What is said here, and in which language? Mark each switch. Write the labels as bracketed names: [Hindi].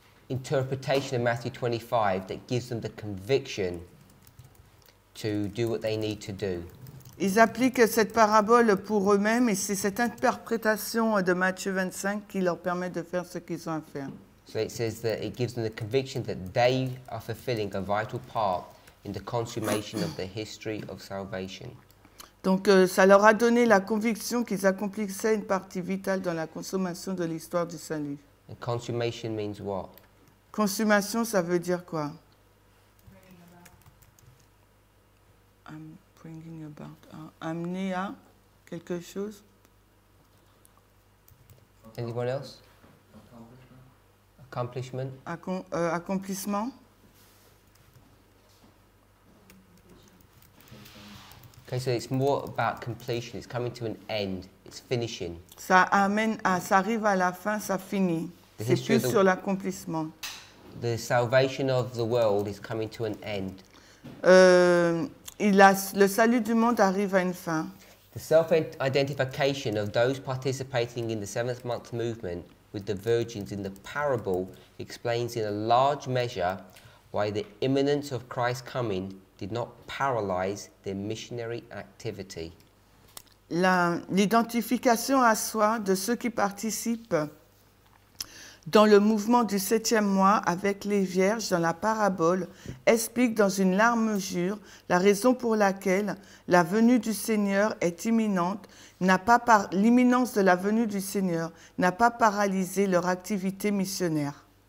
[English] interpretation of Matthew 25 that gives them the conviction to do what they need to do. [French] Ils appliquent cette parabole pour eux-mêmes et c'est cette interprétation de Matthieu 25 qui leur permet de faire ce qu'ils ont à faire. [English] So it says that it gives them the conviction that they are fulfilling a vital part in the consummation of the history of salvation. [French] Donc ça leur a donné la conviction qu'ils accomplissaient une partie vitale dans la consommation de l'histoire du salut. [English] And consummation means what? [French] Consommation, ça veut dire quoi? [English] I'm bringing about. [French] Amener à quelque chose? [English] Anyone else? Accomplishment. [French] Accomplissement. [English] Okay, so it's more about completion. It's coming to an end. It's finishing. [French] Ça arrive à la fin, ça finit. C'est plus sur l'accomplissement. [English] The salvation of the world is coming to an end. [French] Le salut du monde arrive à une fin. [English] The self-identification of those participating in the seventh month movement with the virgins in the parable explains in a large measure why the imminence of Christ's coming did not paralyze their missionary activity. [French] L'identification à soi de ceux qui participent dans le mouvement du septième mois avec les vierges dans la parabole explique dans une large mesure la raison pour laquelle la venue du Seigneur est imminente, l'imminence de la venue du Seigneur n'a pas paralysé leur activité missionnaire.